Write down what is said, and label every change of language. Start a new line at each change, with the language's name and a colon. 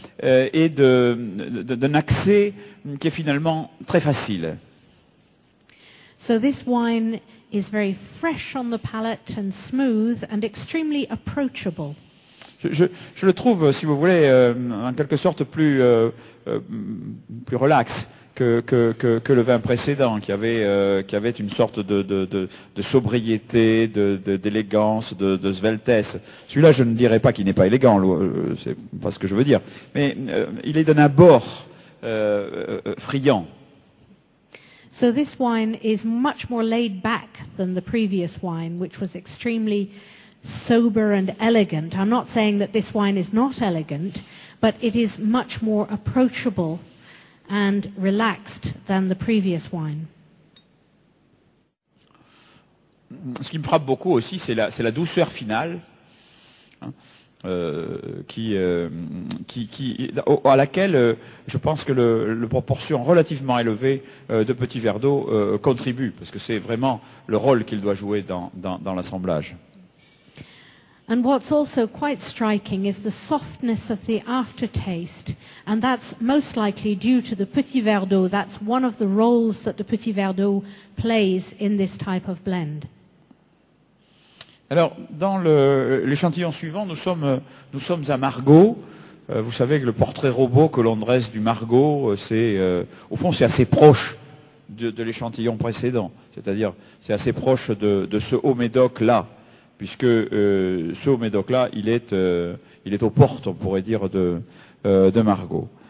French: et d'un accès qui est finalement très facile.
English: So this wine is very fresh on the palate and smooth and extremely approachable.
French: Je le trouve, si vous voulez, en quelque sorte plus plus relax que le vin précédent, qui avait une sorte de sobriété, d'élégance, de sveltesse. Celui-là, je ne dirais pas qu'il n'est pas élégant, c'est pas ce que je veux dire, mais il est d'un abord friand.
English: So this wine is much more laid back than the previous wine, which was extremely sober and elegant. I'm not saying that this wine is not elegant, but it is much more approachable and relaxed than the previous wine.
French: Ce qui me frappe beaucoup aussi, c'est la douceur finale, à laquelle je pense que le proportion relativement élevée de petits verres d'eau contribue, parce que c'est vraiment le rôle qu'il doit jouer dans l'assemblage.
English: And what's also quite striking is the softness of the aftertaste, and that's most likely due to the petit verre d'eau. That's one of the roles that the petit verre d'eau plays in this type of blend.
French: Alors, dans l'échantillon suivant, nous sommes à Margaux. Vous savez que le portrait robot que l'on dresse du Margaux, c'est assez proche de l'échantillon précédent. C'est-à-dire, c'est assez proche de ce haut médoc-là, puisque ce haut médoc-là, il est aux portes, on pourrait dire, de Margaux.